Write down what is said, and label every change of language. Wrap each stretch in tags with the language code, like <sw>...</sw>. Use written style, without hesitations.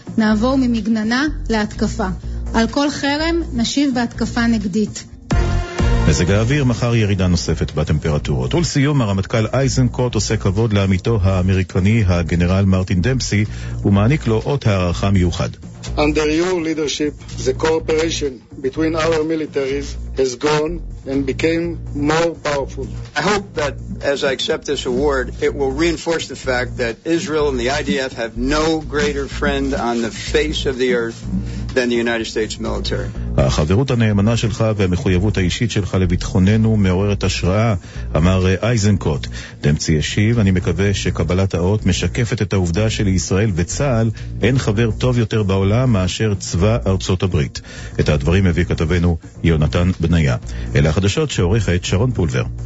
<he>נעבור ממגננה להתקפה. על כל חרם נשיב בהתקפה נגדית. מזג האוויר, מחר ירידה נוספת בטמפרטורות. ולסיום, הרמטכ"ל אייזנקוט עושה כבוד לעמיתו האמריקני, הגנרל מרטין דמפסי, ומעניק לו אות הערכה מיוחד.</he> <en>Under your leadership, the cooperation between our militaries has gone and became more powerful. I hope that as I accept this award, it will reinforce the fact that Israel and the IDF have no greater friend on the face of the earth than the United States military.</en> <he>החברות הנאמנה שלך והמחויבות האישית שלך לביטחוננו מעוררת השראה, אמר אייזנקוט. דמצי ישיב, אני מקווה שקבלת האות משקפת את העובדה שלישראל וצהל אין חבר טוב יותר בעולם מאשר צבא ארצות הברית. את הדברים הביא כתבנו יונתן בנייה. אלה החדשות שעורכת שרון פולבר.</he>